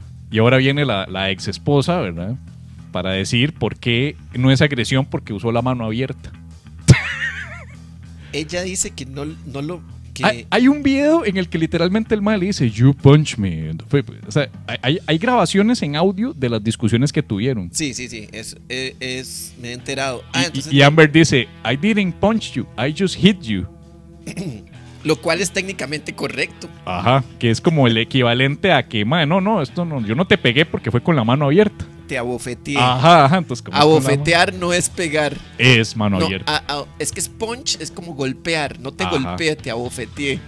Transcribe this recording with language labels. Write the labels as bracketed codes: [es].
[es] Y ahora viene la ex esposa, ¿verdad? Para decir por qué no es agresión, porque usó la mano abierta. Ella dice que no lo. Que... Hay un video en el que literalmente el mae le dice, [en] "You punch me." [es] O sea, hay grabaciones en audio de las discusiones que tuvieron. Sí, sí, sí. Es me he enterado. Y Amber dice, [en] "I didn't punch you, I just hit you." [es] Lo cual es técnicamente correcto. Ajá, que es como el equivalente a que, mae, no, esto no, yo no te pegué porque fue con la mano abierta. Te abofeteé. Ajá, entonces como. Abofetear no es pegar. Es mano abierta. Es que es punch, es como golpear. No te golpeé, te abofeteé.